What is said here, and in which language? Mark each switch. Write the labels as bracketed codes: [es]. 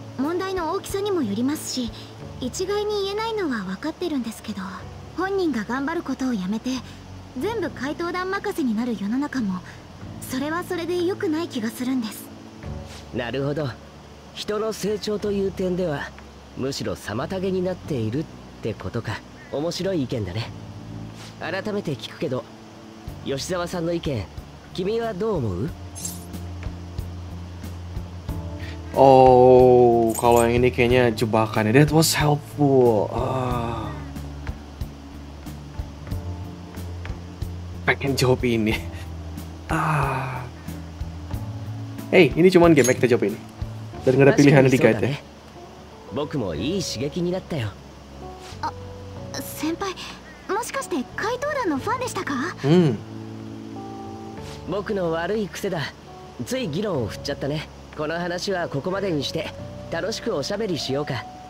[ja] 問題の大きさにもよりますし、一概に言えないのは分かってるんですけど、本人が頑張ることをやめて全部怪盗団任せになる世の中も、それはそれで良くない気がするんです。なるほど。人の成長という点ではむしろ妨げになっているってことか。面白い意見だね。改めて聞くけど、吉澤さんの意見君はどう思う？ [id] Oh, kalau yang ini kayaknya jebakan. [en] That was helpful. [id] Pengen jawab ini. Hey, ini cuma game yang kita jawab ini. Dan gak ada pilihan di guide ya. [ja] 僕もいい刺激になったよ。あ、先輩、もしかして怪盗団のファンでしたか？僕の悪い癖だ。つい議論を振っちゃったね。この話はここまでにして、楽しくおしゃべりしようか。